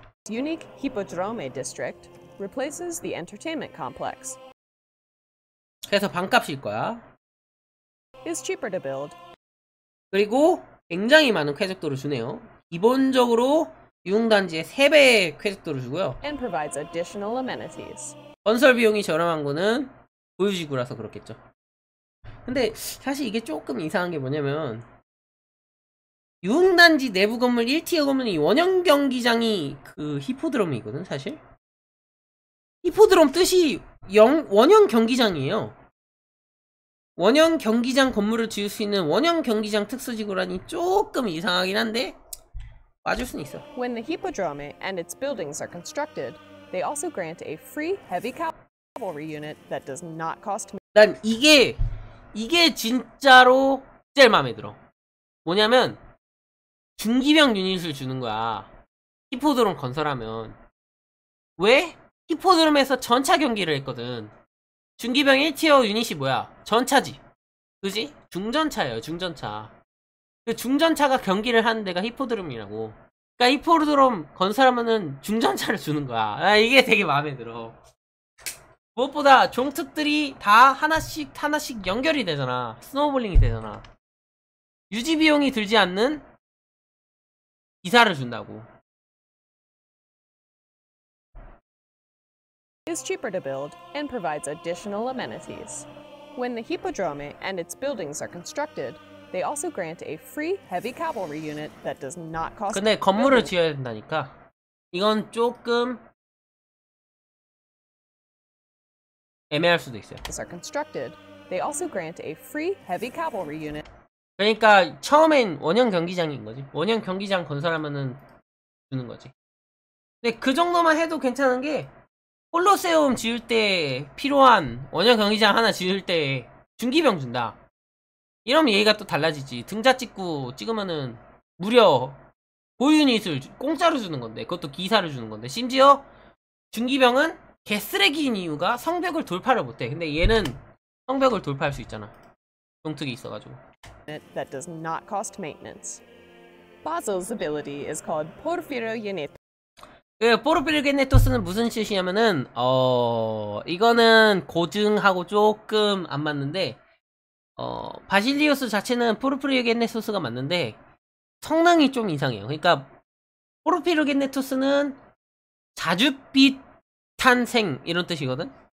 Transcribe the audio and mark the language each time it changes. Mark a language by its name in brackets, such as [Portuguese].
[English] Unique Hippodrome District replaces the entertainment complex. [Korean] 그래서 반값일 거야. [English] It's cheaper to build. [Korean] 그리고 굉장히 많은 쾌적도를 주네요. 기본적으로 유흥단지의 3배의 쾌적도를 주고요. [English] And provides additional amenities. [Korean] 건설 비용이 저렴한 거는 보유지구라서 그렇겠죠. 근데 사실 이게 조금 이상한 게 뭐냐면 유흥단지 내부 건물 1티어 건물이 원형 경기장이 그 히포드롬이거든, 사실. 히포드롬 뜻이 원형 경기장이에요. 원형 경기장 건물을 지을 수 있는 원형 경기장 특수지구라니 조금 이상하긴 한데 맞을 수는 있어. [English] When the Hippodrome and its buildings are constructed, they also grant a free heavy cavalry unit that does not cost. [Korean] 난 이게 진짜로 제일 마음에 들어. 뭐냐면 중기병 유닛을 주는 거야. 히포드롬 건설하면. 왜? 히포드롬에서 전차 경기를 했거든. 중기병 1티어 유닛이 뭐야? 전차지. 그지? 중전차예요, 중전차. 그 중전차가 경기를 하는 데가 히포드롬이라고. 그러니까 히포드롬 건설하면은 중전차를 주는 거야. 아, 이게 되게 마음에 들어. 무엇보다 종특들이 다 하나씩 연결이 되잖아. 스노우볼링이 되잖아. 유지 비용이 들지 않는 기사를 준다고. [English] is cheaper to build and provides additional amenities. When the Hippodrome and its buildings are constructed, they also grant a free heavy cavalry unit that does not cost [Korean] 근데 건물을 [English] building. [Korean] 지어야 된다니까. 이건 조금 애매할 수도 있어요. [English] are constructed, they also grant a free heavy cavalry unit. [Korean] 그러니까 처음엔 원형 경기장인 거지. 원형 경기장 건설하면은 주는 거지. 근데 그 정도만 해도 괜찮은 게 콜로세움 지을 때 필요한 원형 경기장 하나 지을 때 중기병 준다. 이러면 얘기가 또 달라지지. 등자 찍고 찍으면은 무려 보유닛을 공짜로 주는 건데, 그것도 기사를 주는 건데, 심지어 중기병은 개쓰레기인 이유가 성벽을 돌파를 못해. 근데 얘는 성벽을 돌파할 수 있잖아, 종특이 있어가지고. [English] That does not cost maintenance. Basil's ability is called Porfirio Yenith. [Korean] 그 포르피르 겟네토스는 무슨 뜻이냐면은 이거는 고증하고 조금 안 맞는데, 바실리우스 자체는 포르피르 겟네토스가 맞는데 성능이 좀 이상해요. 그러니까 포르피르 겟네토스는 자줏빛 탄생 이런 뜻이거든.